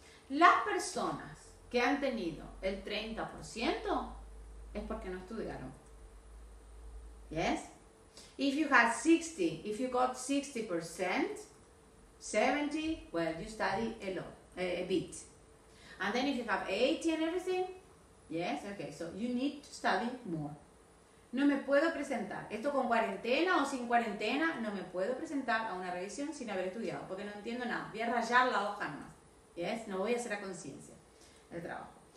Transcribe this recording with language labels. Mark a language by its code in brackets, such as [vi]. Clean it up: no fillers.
[es] Las personas que han tenido el 30% es porque no estudiaron. [en] Yes? If you had 60, if you got 60%, 70, well, you study a lot, a bit. And then if you have 80 and everything, yes, okay, so you need to study more. [es] No me puedo presentar, esto con cuarentena o sin cuarentena, no me puedo presentar a una revisión sin haber estudiado, porque no entiendo nada, voy a rayar la hoja más, yes, no voy a hacer a conciencia el trabajo.